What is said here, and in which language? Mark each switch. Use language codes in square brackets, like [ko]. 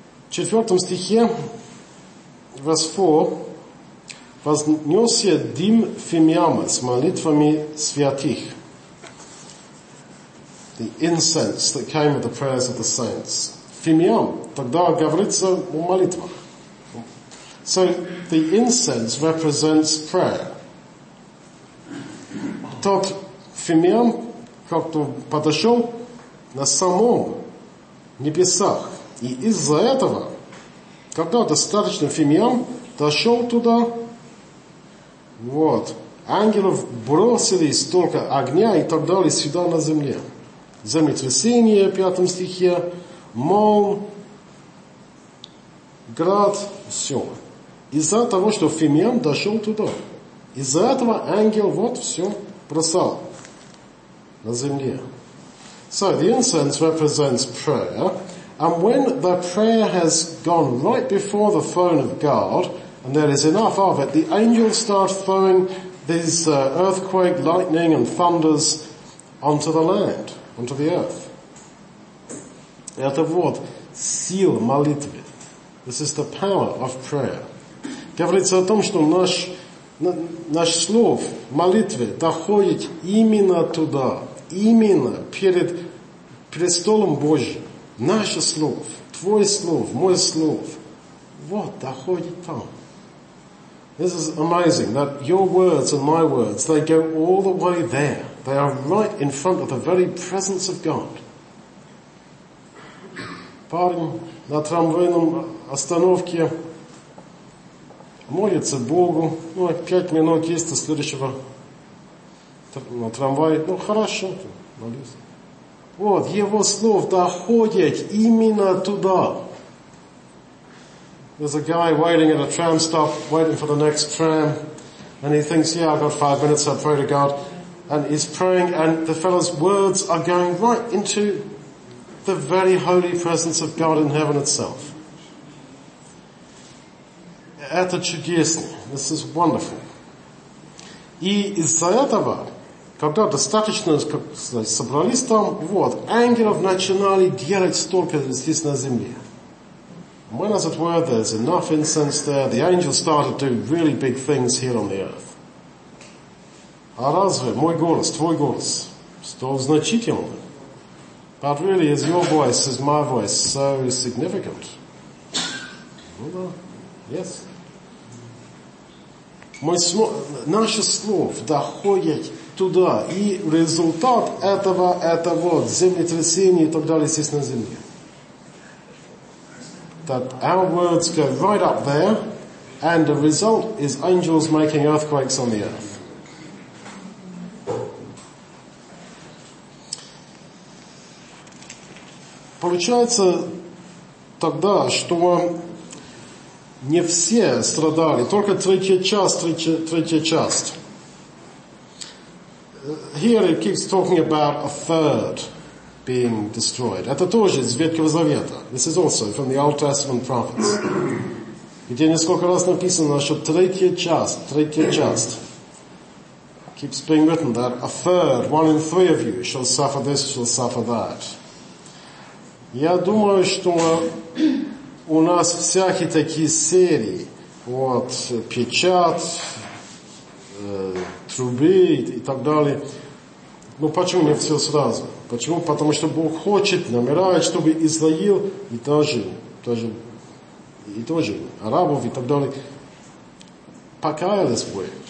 [ru] Четвертом стихе, [en] verse 4, [ru] вознесся дым фимиама с молитвами святых. [en] The incense that came with the prayers of the saints. [ru] Фимиам, тогда говорится о молитвах. [en] So, the incense represents prayer. [ru] Тот фимиам как-то подошел на самом небесах. И из-за этого, когда достаточно фимиам дошел туда, вот. Ангелов бросили столько огня и так далее сюда на земле. Землетрясение, 5 стихе, мол, град, все. Из-за того, что Фимиам дошел туда. Из-за этого ангел, вот, все, бросал на земле. [en] So the incense represents prayer, and when the prayer has gone right before the throne of God, and there is enough of it, the angels start throwing these earthquake, lightning, and thunders onto the land, onto the earth. [ru] Это вот сила молитвы. [en] This is the power of prayer. [ru] Говорится о том, что наш слов молитвы доходит именно туда, именно перед престолом Божьим. Наше слов, твой слов, мой слов, вот доходит там. [en] This is amazing that your words and my words, they go all the way there. They are right in front of the very presence of God. [ru] Парень на трамвайном остановке молится Богу. Ну, 5 минут есть до следующего на трамвае. Ну, хорошо, молюсь. Вот, его слов доходят именно туда. [en] There's a guy waiting at a tram stop, waiting for the next tram, and he thinks, yeah, I've got 5 minutes, I'll pray to God. And he's praying, and the fellow's words are going right into the very holy presence of God in heaven itself. [ru] Это чудесно. [en] This is wonderful. [ru] И из-за этого, когда достаточно собрались там, вот, ангелов начинали делать столько здесь на земле. [en] When, as it were, there's enough incense there, the angels started to do really big things here on the earth. [ru] А разве мой голос, твой голос, стал значительным? [en] But really, is your voice, is my voice so significant? Yes. [ru] Наше слово доходит туда, и результат этого, это вот, землетрясение и так далее здесь на земле. [en] That our words go right up there, and the result is angels making earthquakes on the earth. [ru] Получается тогда, что не все страдали, только третья часть. [en] Here it keeps talking about a third being destroyed. [ru] Это тоже из Ветхого Завета. [en] This is also from the Old Testament prophets. [ru] Где несколько раз написано, что третья часть. [en] Keeps being written that a third, one in three of you, shall suffer this, shall suffer that. [ru] Я думаю, что у нас всякие такие серии, вот, печат, трубы и так далее. Ну, почему не все сразу? Почему? Потому что Бог хочет, намерает, чтобы Израил и тоже арабов и так далее покаялись бы.